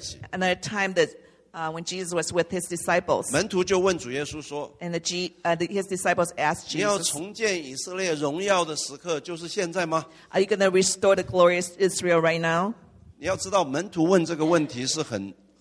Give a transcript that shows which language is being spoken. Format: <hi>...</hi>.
<en>another time that, when Jesus was with his disciples,</en> <zh>门徒就问主耶稣说,</zh> <en>and his disciples asked Jesus,</en> <zh>你要重建以色列荣耀的时刻就是现在吗?</zh> <en>Are you going to restore the glorious Israel right now?</en> <zh>你要知道门徒问这个问题是很,</zh>